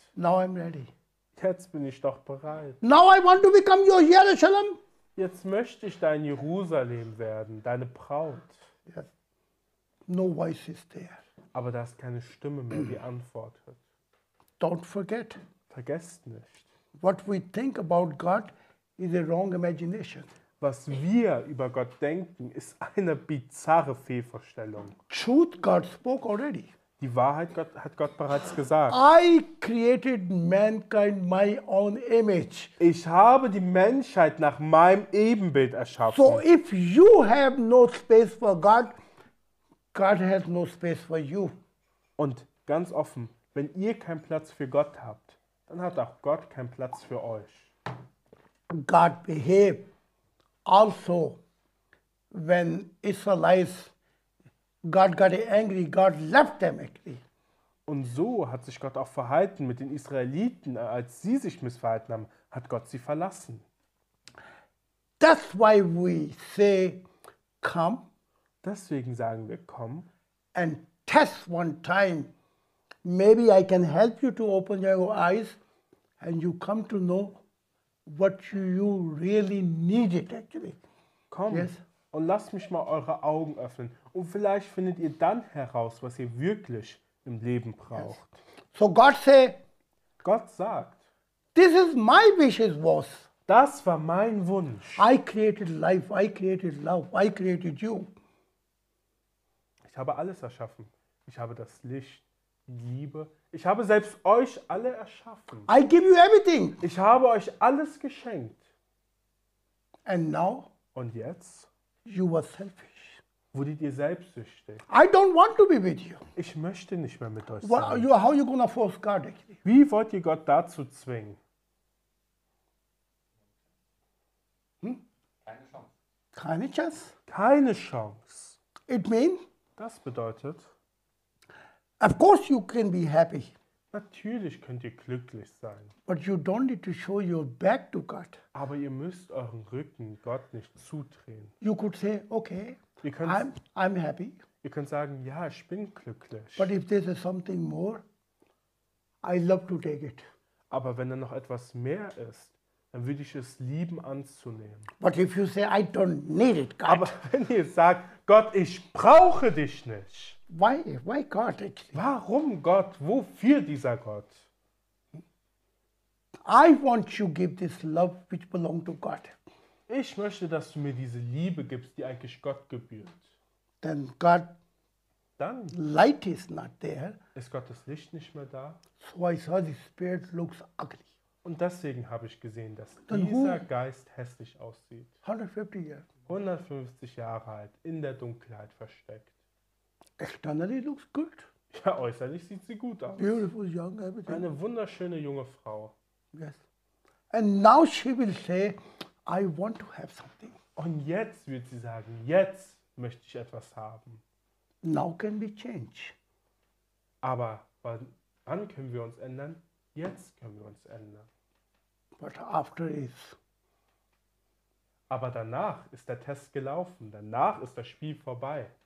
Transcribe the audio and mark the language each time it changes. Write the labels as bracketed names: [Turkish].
[English] Now I'm ready. [German] Jetzt bin ich doch bereit. [English] Now I want to become your Jerusalem. [German] Jetzt möchte ich dein Jerusalem werden, deine Braut. [English] Yes. No voice is there. [German] Aber da ist keine Stimme mehr, die antwortet. [English] Don't forget. [German] Vergesst nicht. [English] What we think about God is a wrong imagination. [German] Was wir über Gott denken, ist eine bizarre Fehlvorstellung. [English] Truth God spoke already. [German] Die Wahrheit Gott, hat Gott bereits gesagt. [English] I created mankind my own image. [German] Ich habe die Menschheit nach meinem Ebenbild erschaffen. [English] So if you have no space for God, God has no space for you. [German] Und ganz offen, wenn ihr keinen Platz für Gott habt, dann hat auch Gott keinen Platz für euch. [English] God behave also when Israelites God got angry, God left them actually. [German] Und so hat sich Gott auch verhalten mit den Israeliten, als sie sich missverhalten haben, hat Gott sie verlassen. [English] That's why we say come. [German] Deswegen sagen wir komm. [English] And test one time. Maybe I can help you to open your eyes and you come to know what you really needed, actually. [German] Komm, yes? Und lasst mich mal eure Augen öffnen. Und vielleicht findet ihr dann heraus, was ihr wirklich im Leben braucht. [English] Yes. So God say, [German] Gott sagt, [English] this is my wishes was. [German] Das war mein Wunsch. [English] I created life, I created love, I created you. [German] Ich habe alles erschaffen. Ich habe das Licht. Liebe, ich habe selbst euch alle erschaffen. [English] I give you everything. [German] Ich habe euch alles geschenkt. [English] And now? [German] Und jetzt? [English] You were selfish. [German] Wurdet ihr selbstsüchtig? [English] I don't want to be with you. [German] Ich möchte nicht mehr mit euch sein. [English] How are you gonna force God? [German] Wie wollt ihr Gott dazu zwingen? Keine Chance. Keine Chance. [English] It means? [German] Das bedeutet. [English] Of course you can be happy. [German] Natürlich könnt ihr glücklich sein. [English] But you don't need to show your back to God. [German] Aber ihr müsst euren Rücken Gott nicht zudrehen. [English] You could say, okay, I'm happy. [German] Ihr könnt sagen, ja, ich bin glücklich. [English] But if there's something more, I love to take it. [German] Aber wenn da noch etwas mehr ist, dann würde ich es lieben anzunehmen. [English] But if you say, I don't need it, God. [German] Aber wenn ihr sagt, Gott, ich brauche dich nicht. [English] Why God actually? [German] Warum Gott? Wofür dieser Gott? [English] I want you give this love which belong to God. [German] Ich möchte, dass du mir diese Liebe gibst, die eigentlich Gott gebührt. [English] Then God. [German] Dann. [English] Light is not there. [German] Ist Gottes Licht nicht mehr da? [English] So I saw the spirit looks ugly. [German] Und deswegen habe ich gesehen, dass then dieser who? Geist hässlich aussieht. [English] 150 years. [German] 150 Jahre alt, in der Dunkelheit versteckt. [English] Externally looks good. [German] Ja, äußerlich sieht sie gut aus. [English] Beautiful young, everything. [German] Eine wunderschöne junge Frau. [English] Yes. And now she will say, I want to have something. [German] Und jetzt wird sie sagen, jetzt möchte ich etwas haben. [English] Now can we change. [German] Aber wann können wir uns ändern? Jetzt können wir uns ändern. [English] But after is. [German] Aber danach ist der Test gelaufen. Danach ist das Spiel vorbei.